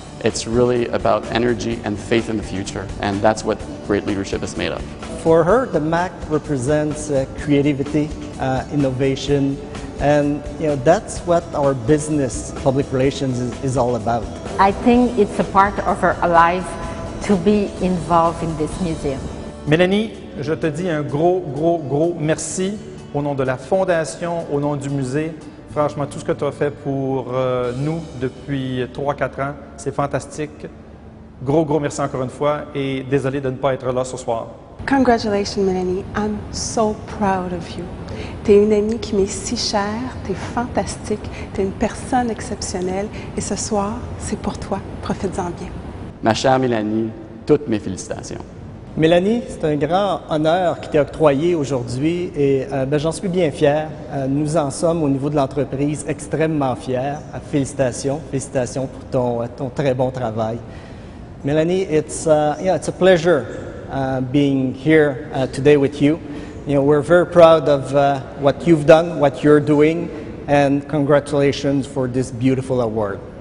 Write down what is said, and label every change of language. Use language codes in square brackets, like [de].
[en] It's really about energy and faith in the future, and that's what great leadership is made of. For her, the Mac represents creativity, innovation, and that's what our business, public relations, is all about. I think it's a part of her life to be involved in this museum. [fr] Mélanie, je te dis un gros, gros, gros merci au nom de la Fondation, au nom du musée. Franchement, tout ce que tu as fait pour nous depuis 3-4 ans, c'est fantastique. Gros, gros merci encore une fois et désolé de ne pas être là ce soir. [en] Congratulations, Mélanie. I'm so proud of you. [fr] T'es une amie qui m'est si chère, t'es fantastique, t'es une personne exceptionnelle et ce soir, c'est pour toi. Profites-en bien. Ma chère Mélanie, toutes mes félicitations. Mélanie, c'est un grand honneur qui t'est octroyé aujourd'hui et j'en suis bien fier. Nous en sommes au niveau de l'entreprise extrêmement fiers. Félicitations pour ton très bon travail. [en] Mélanie, it's a pleasure being here today with you. We're very proud of what you've done, what you're doing, and congratulations for this beautiful award.